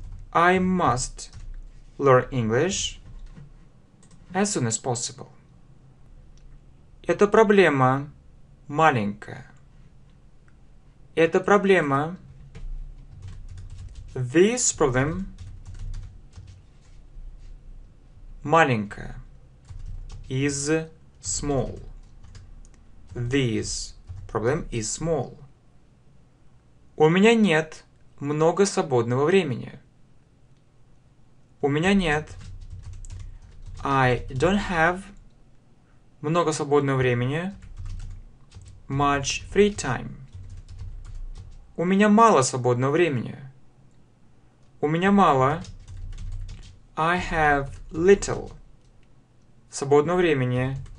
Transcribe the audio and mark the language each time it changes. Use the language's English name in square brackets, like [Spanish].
[English] I must learn English as soon as possible. [Russian] Эта проблема маленькая. Эта проблема. [English] This problem. [Russian] Маленькая. [English] Is small. This problem is small. [Russian] У меня нет много свободного времени. У меня нет. [English] I don't have [Russian] много свободного времени. [English] Much free time. [Russian] У меня мало свободного времени. У меня мало. [English] I have little [Russian] свободного времени.